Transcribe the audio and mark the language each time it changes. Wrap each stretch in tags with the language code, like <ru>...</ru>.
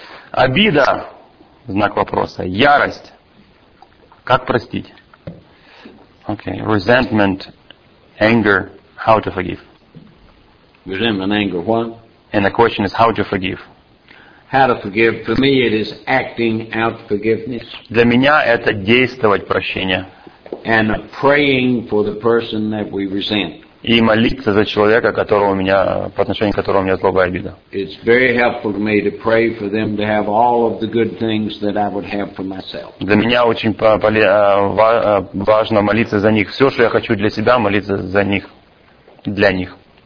<ru>Обида, знак вопроса, ярость. Как простить? Okay.</ru> <en>Resentment, anger, how to forgive? Resentment, anger, what? And the question is how to forgive. How to forgive? For me it is acting out forgiveness.</en> <ru>Для меня это действовать прощение.</ru> <en>And praying for the person that we resent.</en> <ru>И молиться за человека, по отношению к которому у меня злоба и обида.</ru> <en>It's very helpful to me to pray for them to have all of the good things that I would have for myself.</en> <ru>Для меня очень важно молиться за них. Все, что я хочу для себя, молиться за них, для них.</ru>